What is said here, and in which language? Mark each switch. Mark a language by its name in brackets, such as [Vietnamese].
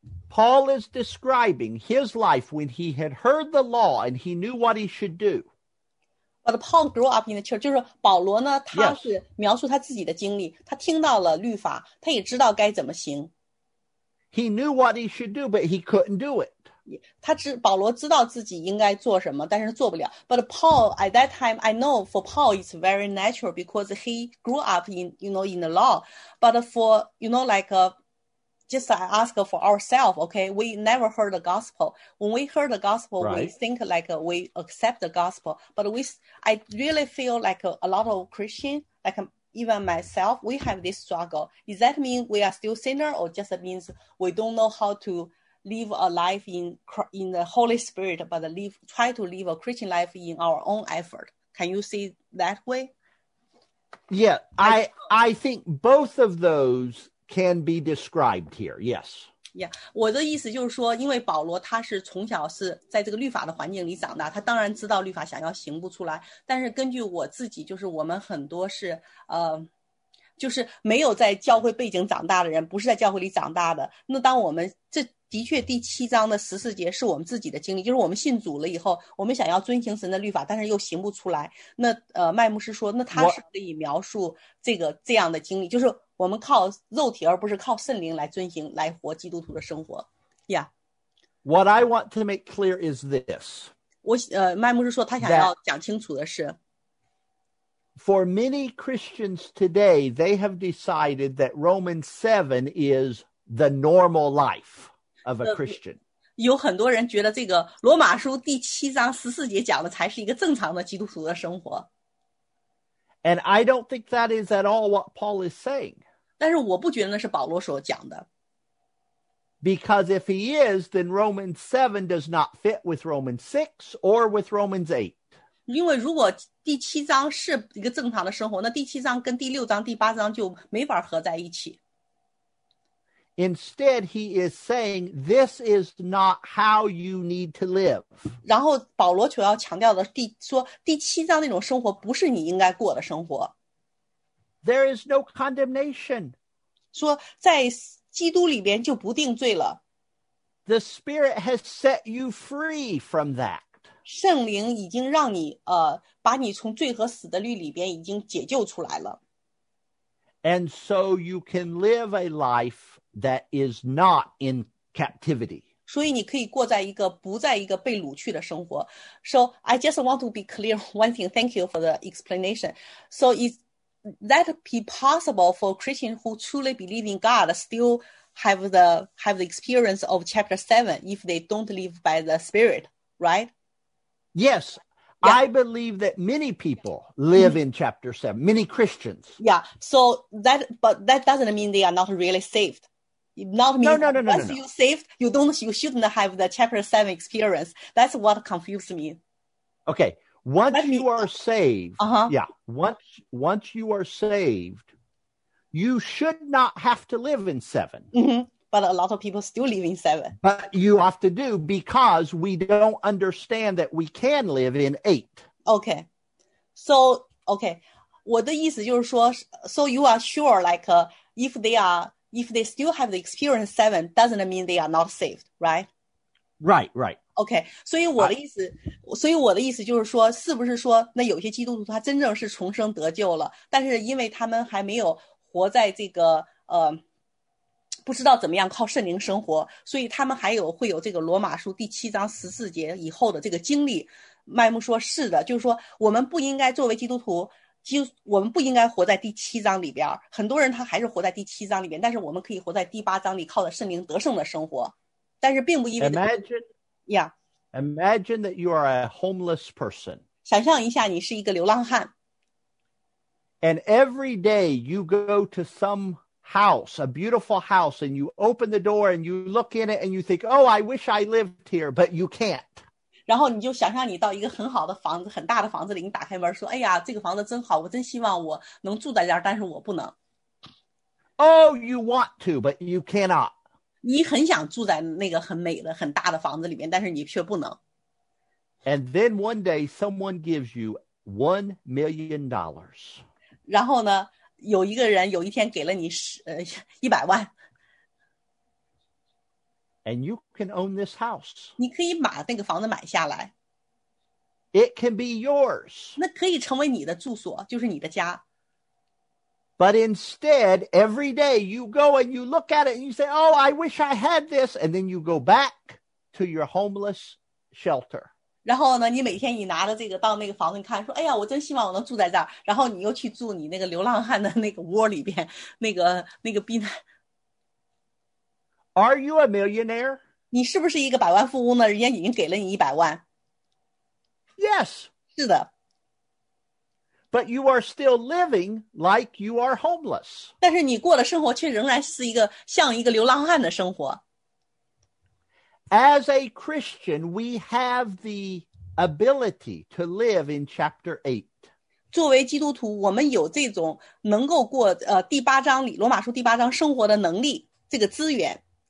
[English] Paul is describing his life when he had heard the law and he knew what he should do. But Paul grew up in the church. [Chinese] 就是保罗呢，他是描述他自己的经历。他听到了律法，他也知道该怎么行。 [English] He knew what he should do, but he couldn't do it. [Chinese] 保罗知道自己应该做什么，但是做不了。 [English] But Paul, at that time, I know for Paul, it's very natural because he grew up in the law. But for, you know, like just I ask for ourselves, okay? We never heard the gospel. When we heard the gospel, right. We think like we accept the gospel. But I really feel like a lot of Christians, like even myself, we have this struggle. Does that mean we are still sinner, or just means we don't know how to live a life in the Holy Spirit, but try to live a Christian life in our own effort? Can you see that way? Yeah, I think both of those can be described here. Yes. [Chinese] Yeah, 我的意思就是说，因为保罗他是从小是在这个律法的环境里长大，他当然知道律法想要行不出来。但是根据我自己，就是我们很多是就是没有在教会背景长大的人，不是在教会里长大的。那当我们这的确第七章的十四节是我们自己的经历，就是我们信主了以后，我们想要遵行神的律法，但是又行不出来。那麦牧师说，那他是可以描述这样的经历，就是我们靠肉体而不是靠圣灵来遵行来活基督徒的生活。 [English] Yeah. What I want to make clear is this. [Chinese] 麦牧师说他想要讲清楚的是。 [English] For many Christians today, they have decided that Romans 7 is the normal life of a Christian. [Chinese] 有很多人觉得这个罗马书第七章十四节讲的才是一个正常的基督徒的生活。 [English] And I don't think that is at all what Paul is saying. [Chinese] 但是我不觉得那是保罗所讲的。 [English] Because if he is, then Romans 7 does not fit with Romans 6 or with Romans 8. [Chinese] 因为如果第七章是一个正常的生活，那第七章跟第六章、第八章就没法合在一起。 [English] Instead, he is saying, this is not how you need to live. [Chinese] 然后保罗就要强调的说第七章那种生活不是你应该过的生活。 [English] There is no condemnation. [Chinese] 说在基督里边就不定罪了。 [English] The Spirit has set you free from that. [Chinese] 圣灵已经让你把你从罪和死的律里边已经解救出来了。 [English] And so you can live a life that is not in captivity. [Chinese] 所以你可以过在一个不在一个被掳去的生活。 [English] So I just want to be clear one thing. Thank you for the explanation. So is that be possible for Christians who truly believe in God still have the experience of chapter 7 if they don't live by the Spirit, right? Yes. Yeah. I believe that many people live in chapter 7, many Christians. Yeah, so but that doesn't mean they are not really saved. Not mean no. Once you're saved, you shouldn't have the chapter 7 experience. That's what confused me. Okay, once you are saved, you should not have to live in 7. Mm-hmm. But a lot of people still live in 7. But you have to do because we don't understand that we can live in 8. Okay. So, okay. [Chinese] 我的意思就是说, [English] so you are sure like if they still have the experience 7, doesn't mean they are not saved, right? Right. Okay. [Chinese] 所以我的意思就是说是不是说那有些基督徒他真正是重生得救了但是因为他们还没有活在这个不知道怎么样靠圣灵生活，所以他们会有这个罗马书第七章十四节以后的这个经历。麦牧说是的，就是说我们不应该作为基督徒，我们不应该活在第七章里边。很多人他还是活在第七章里边，但是我们可以活在第八章里，靠着圣灵得胜的生活。但是并不意味着 [English] Imagine that you are a homeless person. [Chinese] 想象一下，你是一个流浪汉。 [English] And every day you go to some. House, a beautiful house, and you open the door and you look in it and you think, oh, I wish I lived here, but you can't. [Chinese] 然后你就想象你到一个很好的房子，很大的房子里，你打开门说，哎呀，这个房子真好，我真希望我能住在这儿，但是我不能。 [English] Oh, you want to, but you cannot. [Chinese] 你很想住在那个很美的，很大的房子里面，但是你却不能。 [English] And then one day someone gives you $1 million. [Chinese] 然后呢？有一个人有一天给了你100万 [English] And you can own this house. [Chinese] 你可以把那个房子买下来。 [English] It can be yours. [Chinese] 那可以成为你的住所，就是你的家。 [English] But instead, every day you go and you look at it and you say, oh, I wish I had this. And then you go back to your homeless shelter. [Chinese] 然后呢你每天你拿着这个到那个房子你看说哎呀我真希望我能住在这儿然后你又去住你那个流浪汉的那个窝里边那个避难。 [English] Are you a millionaire? [Chinese] 你是不是一个百万富翁呢人家已经给了你100万。 [English] Yes. [Chinese] 是的。 [English] But you are still living like you are homeless. [Chinese] 但是你过的生活却仍然是一个像一个流浪汉的生活。 [English] As a Christian, we have the ability to live in chapter 8. [Chinese] 作为基督徒，我们有这种能够过第八章里罗马书第八章生活的能力，这个资源。